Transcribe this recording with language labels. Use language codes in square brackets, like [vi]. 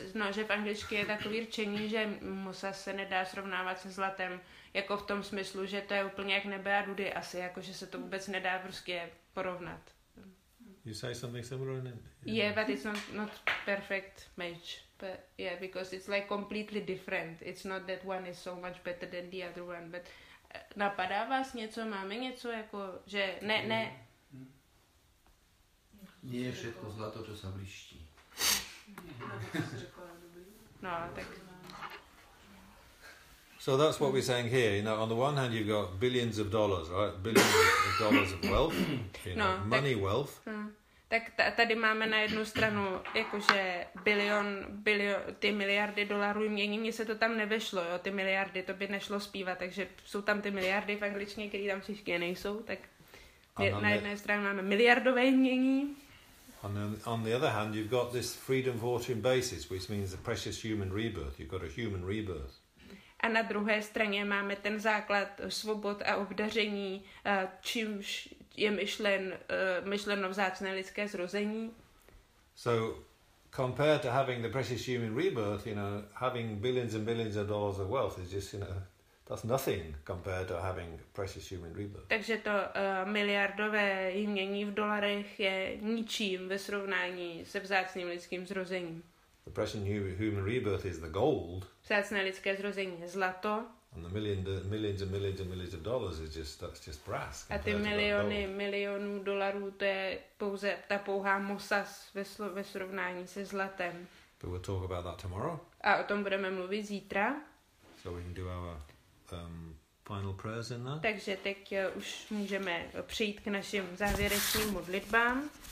[cs] Že v angličtině je takový řečení, že mosas se nedá srovnávat se zlatem, jako v tom smyslu, že to je úplně jak nebe a dudy asi, jako že se to vůbec nedá prostě porovnat. [en] You say something similar in English? Yeah, but it's not perfect match. But yeah, because it's like completely different. It's not that one is so much better than the other one. [cs] But napadá vás něco? Máme něco jako, že ne. [sk] Nie je všetko zlato, čo sa blíští. [cs] No, tak. [en] So that's what we're saying here. You know, on the one hand, you've got billions of dollars, right? Billions of dollars of wealth, money wealth. [cs] Tak tady máme na jednu stranu jakože bilion, ty miliardy dolarů mění, mně se to tam nevešlo, jo, ty miliardy, to by nešlo zpívat, takže jsou tam ty miliardy v angličtině, které tam všichni nejsou, tak na jedné straně máme miliardové mění. [en] On the other hand, you've got this freedom fortune basis, which means the precious human rebirth. You've got a human rebirth. [cs] A na druhé straně máme ten základ svobod a obdaření, čímž je myšleno vzácné lidské zrození. [en] So, compared to having the precious human rebirth, you know, having billions and billions of dollars of wealth is just, you know, that's nothing compared to having precious human rebirth. [cs] Takže to miliardové jmění v dolarech je ničím ve srovnání se vzácným lidským zrozením. [en] The precious human rebirth is the gold. [cs] Vzácné lidské zrození je zlato. [en] And the millions and millions and millions of dollars is just, that's just brass. [cs] A ty miliony milionů dolarů, to je pouze ta pouhá mosas ve srovnání se zlatem. [en] But we'll talk about that tomorrow. [cs] A o tom budeme mluvit zítra. [en] So we can do our final prayers in that. [cs] Takže teď už můžeme přejít k našim závěrečným modlitbám.